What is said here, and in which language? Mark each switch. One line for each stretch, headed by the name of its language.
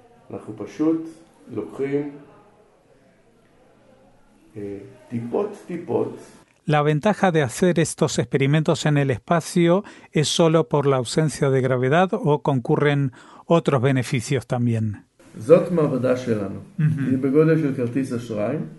Hebrew: אנחנו פשוט לוקחים טיפות.
Spanish: La ventaja de hacer estos experimentos en el espacio es solo por la ausencia de gravedad o concurren otros beneficios también.
Hebrew: זאת מעבדה שלנו. היא בגודל של כרטיס אשראי.